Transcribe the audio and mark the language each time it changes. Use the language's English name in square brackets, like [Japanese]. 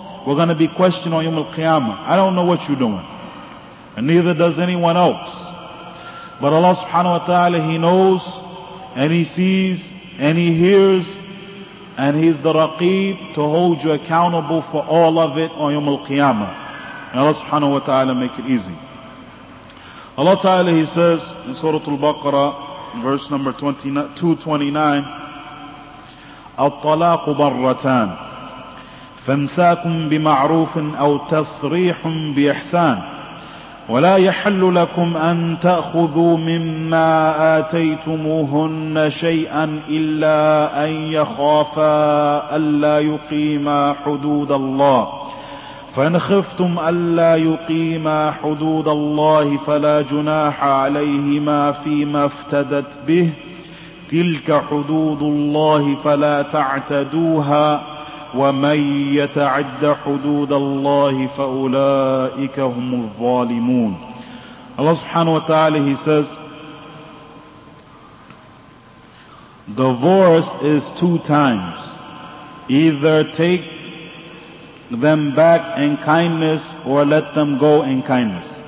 [English] We're going to be questioned on Yom Al-Qiyamah. I don't know what you're doing, and neither does anyone else. But Allah subhanahu wa ta'ala, He knows, and He sees, and He hears, and He's the Raqib to hold you accountable for all of it on Yom Al-Qiyamah. And Allah subhanahu wa ta'ala make it easy. Allah ta'ala, He says in Surah Al-Baqarah, verse number 229, [Arabic] الطلاق برتان فامساكم بمعروف أو تصريح بإحسان ولا يحل لكم أن تأخذوا مما آتيتموهن شيئا إلا أن يخافا ألا يقيما حدود الله فإن خفتم ألا يقيما حدود الله فلا جناح عليهما فيما افتدت به تلك حدود الله فلا تعتدوها ومن يتعد حدود الله فأولئك هم الظالمون. [English] Allah subhanahu wa ta'ala, He says, divorce is two times. Either take them back in kindness or let them go in kindness.